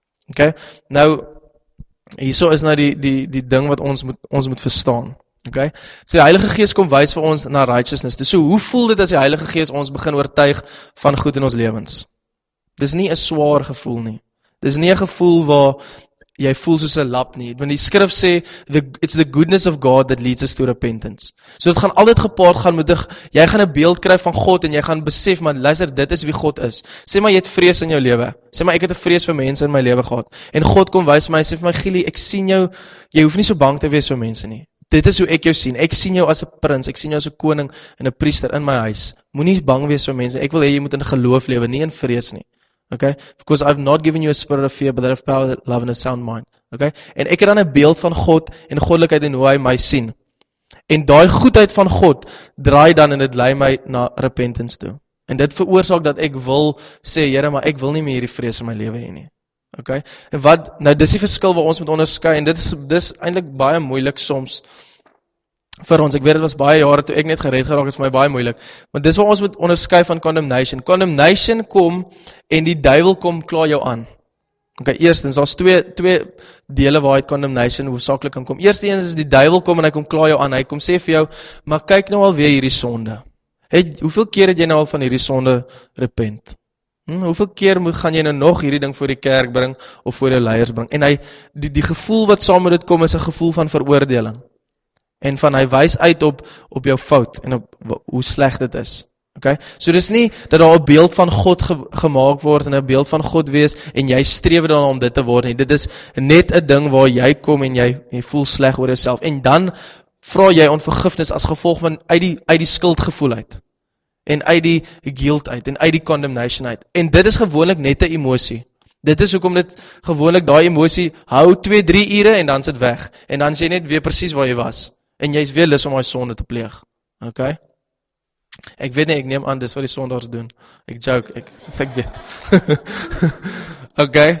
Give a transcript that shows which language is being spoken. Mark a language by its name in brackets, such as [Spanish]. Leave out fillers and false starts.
[Afrikaans] Okay, nou, hierso is nou die ding wat ons moet verstaan. Okay? So die Heilige Gees kom wys vir ons na righteousness. So hoe voel dit as die Heilige Gees ons begin oortuig van goed in ons lewens? Dis nie 'n swaar gevoel nie. Dis nie 'n gevoel waar jy voel soos 'n lap nie. Want die skrif sê [English] it's the goodness of God that leads us to repentance. [Afrikaans] So dit gaan altyd gepaard gaan met jy gaan 'n beeld kry van God en jy gaan besef man, luister, dit is wie God is. Sê maar jy het vrees in jou lewe. Sê maar ek het 'n vrees vir mense in my lewe gehad. En God kom wys my, sê vir my Gili, ek sien jou, jy hoef nie so bang te wees vir mense nie. Dit is hoe ek jou sien. Ek sien jou as 'n prins, ek sien jou as 'n koning en 'n priester in my huis. Moenie bang wees vir mense. Ek wil hê jy moet in geloof lewe, nie in vrees nie. [English] Okay, because I've not given you a spirit of fear, but that of power, love and a sound mind. [Afrikaans] Okay, en ek het dan 'n beeld van God en goddelikheid en hoe hy my sien. En daai goedheid van God draai dan en dit lei my na repentance toe. En dit veroorsaak dat ek wil sê, Here, maar ek wil nie meer hierdie vrees in my lewe hê nie. OK, en wat, nou dis die verskil wat ons moet onderskei, en dit is eintlik baie moeilik soms vir ons. Ek weet, dit was baie jare toe ek net gered geraak het, vir my baie moeilik, maar dis wat ons moet onderskei van condemnation. Condemnation kom, en die duivel kom klaar jou aan. OK, eerstens, daar's twee dele waar hy condemnation hoofsaaklik kan kom. Eerstens is die duivel kom, en hy kom klaar jou aan, hy kom sê vir jou, maar kyk nou alweer hierdie sonde. Hoeveel keer het jy nou al van hierdie sonde repent? Hoeveel keer gaan jy nou nog hierdie ding voor die kerk bring, of voor jou leiers bring? En hy, die gevoel wat saam met dit kom, is 'n gevoel van veroordeling. En van hy wys uit op jou fout, en op hoe sleg dit is. Okay? So dis nie dat daar 'n beeld van God gemaak word, en 'n beeld van God wees, en jy streef dan om dit te word nie. Dit is net 'n ding waar jy kom, en jy voel sleg oor jouself. En dan vra jy om vergifnis as gevolg van uit die skuldgevoel uit. En uit die guilt uit, en uit die condemnation uit. En dit is gewoonlik net 'n emosie. Dit is hoekom dit gewoonlik daai emosie hou 2-3 ure en dan is dit weg. En dan is jy net weer presies waar jy was. En jy is weer lus om daai sonde te pleeg. OK? Ek weet nie, ek neem aan, dis wat die sondaars doen. Ek joke, ek weet. OK?